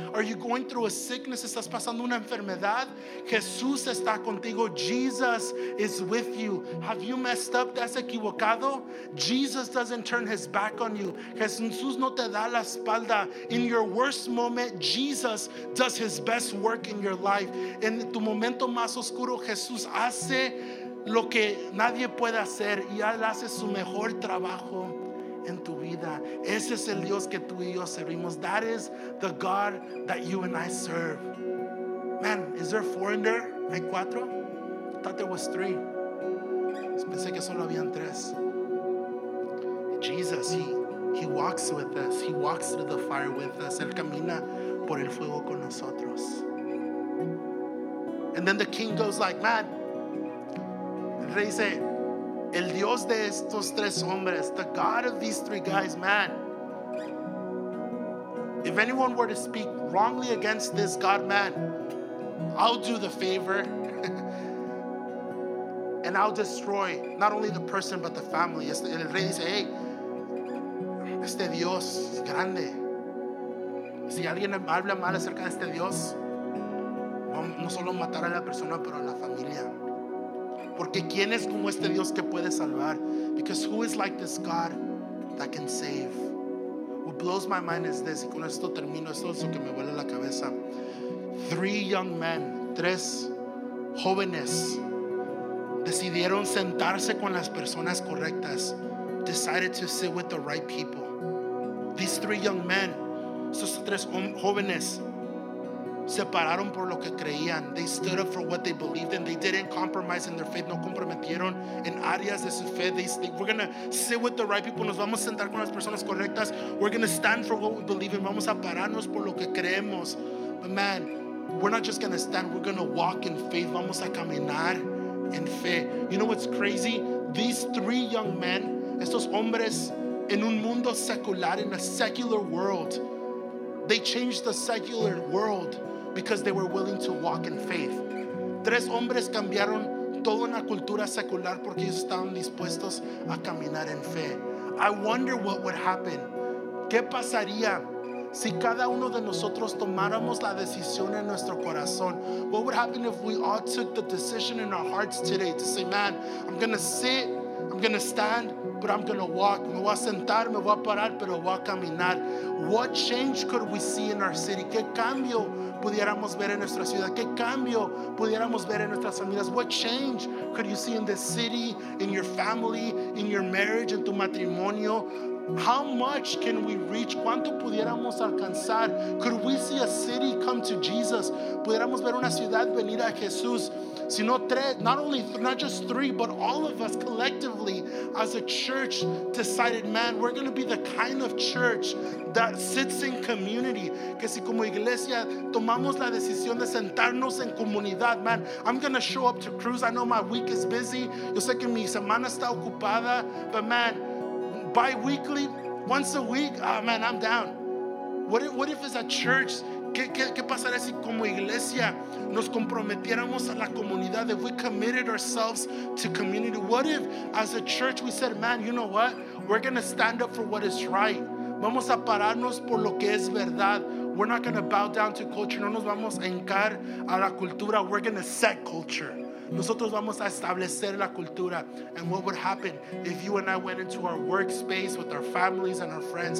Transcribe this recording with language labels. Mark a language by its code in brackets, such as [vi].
[en] Are you going through a sickness? [es] ¿Estás pasando una enfermedad? Jesús está contigo. [en] Jesus is with you. Have you messed up? [es] ¿Te has equivocado? [en] Jesus doesn't turn his back on you. [es] Jesús no te da la espalda. [en] In your worst moment, Jesus does his best work in your life. [es] En tu momento más oscuro, Jesús hace lo que nadie puede hacer y él hace su mejor trabajo en tu vida. Ese es el Dios que tú y yo servimos. [en] That is the God that you and I serve. Man, is there four in there? [es] ¿Hay cuatro? [en] I thought there was three. [es] Pensé que solo habían tres. [en] Jesus, he walks with us. He walks through the fire with us. [es] Él camina por el fuego con nosotros. [en] And then the king goes like, man, [es] el rey dice, el Dios de estos tres hombres, [en] the God of these three guys, man, if anyone were to speak wrongly against this God, man, I'll do the favor and I'll destroy not only the person but the family. [es] El rey dice, hey, este Dios grande, Si alguien habla mal acerca de este Dios, no solo matar a la persona, pero a la familia. Porque ¿quién es como este Dios que puede salvar? [en] Because who is like this God that can save? What blows my mind is this. [es] Y con esto termino, esto es lo que me vuela la cabeza. [en] Three young men, [es] tres jóvenes, decidieron sentarse con las personas correctas. [en] Decided to sit with the right people. These three young men, [es] esos tres jóvenes, se pararon por lo que creían. [en] They stood up for what they believed in. They didn't compromise in their faith. [es] No comprometieron en áreas de su fe. [en] They said, we're going to sit with the right people. [es] Nos vamos a sentar con las personas correctas. [en] We're going to stand for what we believe in. [es] Vamos a pararnos por lo que creemos. [en] But man, we're not just going to stand. We're going to walk in faith. [es] Vamos a caminar en fe. [en] You know what's crazy? These three young men, [es] estos hombres, en un mundo secular, [en] in a secular world, they changed the secular world because they were willing to walk in faith. [es] Tres hombres cambiaron toda una cultura secular porque ellos estaban dispuestos a caminar en fe. [en] I wonder what would happen. [es] ¿Qué pasaría si cada uno de nosotros tomáramos la decisión en nuestro corazón? [en] What would happen if we all took the decision in our hearts today to say, man, I'm going to sit, I'm going to stand, but I'm going to walk. [es] Me voy a sentar, me voy a parar, pero voy a caminar. [en] What change could we see in our city? [es] ¿Qué cambio pudiéramos ver en nuestra ciudad? ¿Qué cambio pudiéramos ver en nuestras familias? [en] What change could you see in the city, in your family, in your marriage, [es] en tu matrimonio? [en] How much can we reach? [es] ¿Cuánto pudiéramos alcanzar? [en] Could we see a city come to Jesus? [es] ¿Pudiéramos ver una ciudad venir a Jesús? Sino tres, [en] not only, not just three, but all of us collectively as a church decided, man, we're going to be the kind of church that sits in community. [es] Que si como iglesia tomamos la decisión de sentarnos en comunidad, [en] man, I'm going to show up to cruise. I know my week is busy. [es] Yo sé que mi semana está ocupada, [en] but man, bi-weekly, once a week, oh man, I'm down. What if it's a church? [es] ¿Qué pasaría si como iglesia nos comprometiéramos a la comunidad? [en] If we committed ourselves to community, what if as a church we said, man, you know what? We're going to stand up for what is right. [es] Vamos a pararnos por lo que es verdad. [en] We're not going to bow down to culture. [es] No nos vamos a hincar a la cultura. [en] We're going to set culture. [es] Nosotros vamos a establecer la cultura. [en] And what would happen if you and I went into our workspace with our families and our friends?